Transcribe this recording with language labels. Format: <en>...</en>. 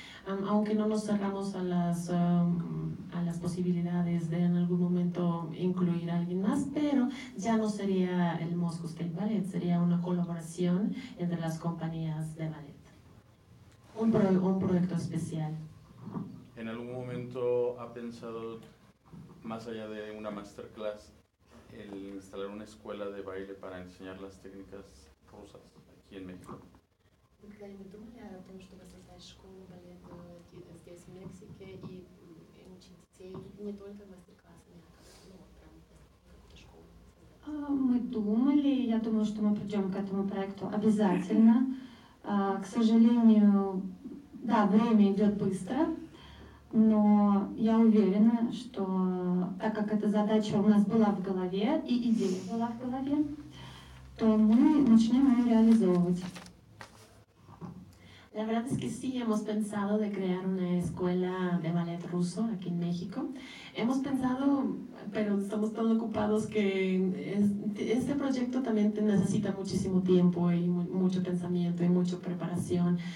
<es>Aunque no nos cerramos a las posibilidades de en algún momento incluir a alguien más, pero ya no sería el Moscow State Ballet, sería una colaboración entre las compañías de ballet. Un proyecto especial. ¿En algún momento ha pensado, más allá de una masterclass, el instalar una escuela de baile para enseñar las técnicas rusas aquí en México?</es> <ru>Вы когда-нибудь думали о том, чтобы создать школу балета здесь, в Мексике, и учить детей не только мастер-классами, а прям какую-то школу создать? Мы думали, я думаю, что мы придем к этому проекту обязательно. К сожалению, да, время идет быстро, но я уверена, что так как эта задача у нас была в голове, и идея была в голове, то мы начнем ее реализовывать.</ru> <es>La verdad es que sí, hemos pensado de crear una escuela de ballet ruso aquí en México. Hemos pensado, pero estamos tan ocupados que este proyecto también necesita muchísimo tiempo y mucho pensamiento y mucha preparación.</es>